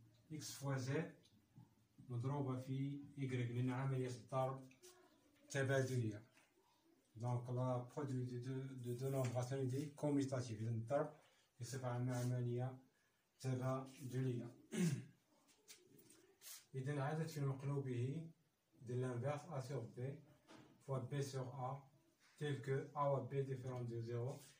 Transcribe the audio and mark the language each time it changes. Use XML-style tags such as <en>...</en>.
<fr>X fois Z</fr> <ar>مضروبة في Y من عملية الضرب تبادلية.</ar> <fr>Donc la produit de deux nombres rationnels est commutatif. Une</fr> <ar>ضرب بصفة عامة عملية تبادلية. إذن عدد في مقلوبه</ar> <fr>de l'inverse A sur B fois B sur A tel que A و B différent de 0.</fr>